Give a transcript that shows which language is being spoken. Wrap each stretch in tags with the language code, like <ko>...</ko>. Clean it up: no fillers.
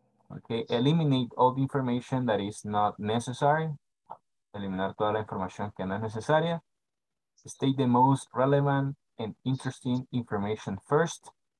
<en>Okay, eliminate all the information that is not necessary.</en> <es>Eliminar toda la información que no es necesaria.</es> <en>State the most relevant and interesting information first.</en>